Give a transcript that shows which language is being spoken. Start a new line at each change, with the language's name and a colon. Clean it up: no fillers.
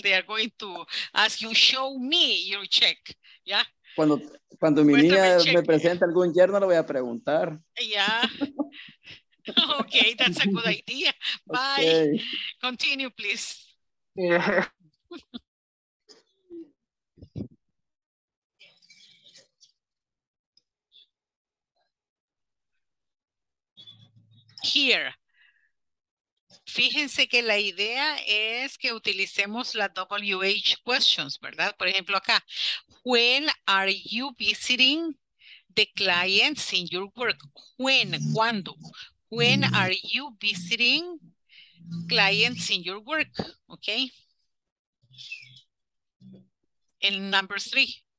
English: They are going to ask you, show me your check, ¿ya?
Spanish: Cuando mi niña me presenta algún yerno, lo voy a preguntar.
English: Ya. Okay, that's a good idea. Bye. Okay. Continue, please. Yeah. Here.
Spanish: Fíjense que la idea es que utilicemos la WH questions, ¿verdad? Por ejemplo, acá.
English: When are you visiting the clients in your work? When, ¿cuándo? When are you visiting clients in your work? Okay. In number three.